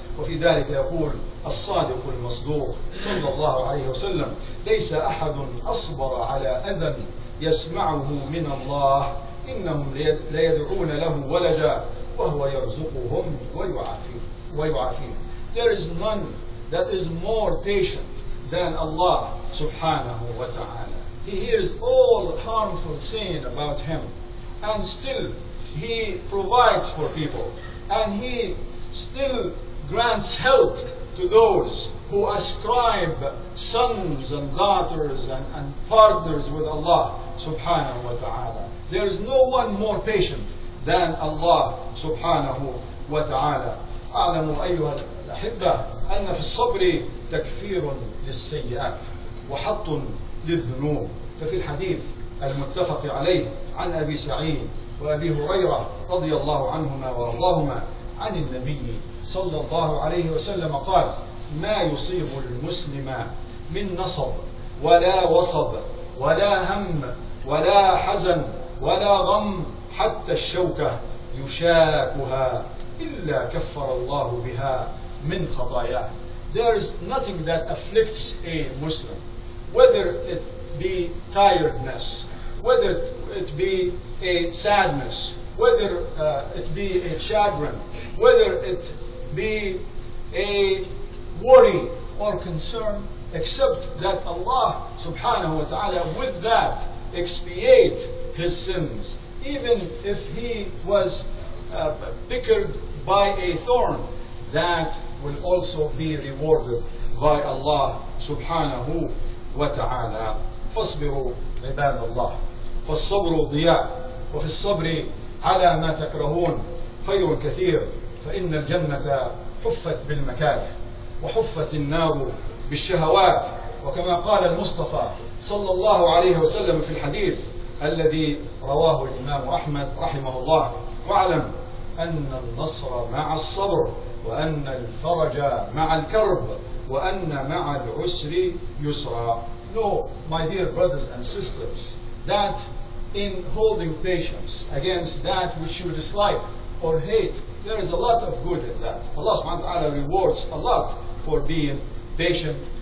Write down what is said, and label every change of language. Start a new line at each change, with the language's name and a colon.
Arabic: وفي ذلك يقول الصادق المصدوق صلى الله عليه وسلم: ليس أحد أصبر على أذى يسمعه من الله، إنهم ليدعون له ولدا وهو يرزقهم ويعافيهم.
English: There is none that is more patient than Allah سبحانه وتعالى. He hears all harmful saying about him and still he provides for people, and he still grants health to those who ascribe sons and daughters and partners with Allah subhanahu wa ta'ala. There is no one more patient than Allah subhanahu wa ta'ala.
Arabic: أعلموا أيها الأحبة أن في الصبر تكفير للسيئات وحط للذنوب. ففي الحديث المتفق عليه عن أبي سعيد وأبي هريرة رضي الله عنهما وارضاهما عن النبي صلى الله عليه وسلم قال: ما يصيب المسلم من نصب ولا وصب ولا هم ولا حزن ولا غم حتى الشوكة يشاكها إلا كفر الله بها من خطاياه.
English: There is nothing that afflicts a Muslim, whether it be tiredness, whether it be a sadness, whether it be a chagrin, whether it be a worry or concern, except that Allah subhanahu wa ta'ala with that expiate his sins. Even if he was pickled by a thorn, that will also be rewarded by Allah subhanahu wa ta'ala.
Arabic: فاصبروا عباد الله فالصبر ضياء وفي الصبر على ما تكرهون خير كثير فإن الجنة حفت بالمكاره وحفت النار بالشهوات وكما قال المصطفى صلى الله عليه وسلم في الحديث الذي رواه الإمام أحمد رحمه الله واعلم أن النصر مع الصبر وأن الفرج مع الكرب وأن مع العسر يسرا.
English: No, my dear brothers and sisters, that in holding patience against that which you dislike or hate, there is a lot of good in that. Allah subhanahu wa ta'ala rewards a lot for being patient.